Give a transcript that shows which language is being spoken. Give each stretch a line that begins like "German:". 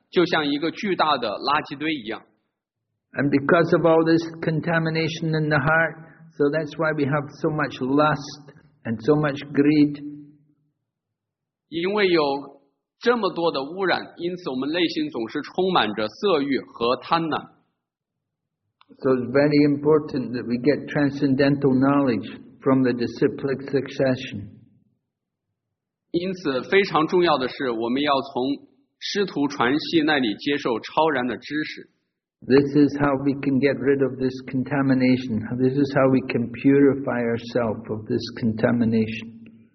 Chinese: 我们的内心总是被物质的激情形态和愚昧形态所污染，就像一个巨大的垃圾堆一样。
English: And because of all this contamination in the heart, so that's why we have so much lust and so much greed.
Chinese: 因为有 这么多的污染，因此我们内心总是充满着色欲和贪婪。
English: So it's very important that we get transcendental knowledge from the disciplic succession.
Chinese: 因此非常重要的是，我们要从师徒传系那里接受超然的知识。
English: This is how we can get rid of this contamination. This is how we can purify ourselves of this contamination.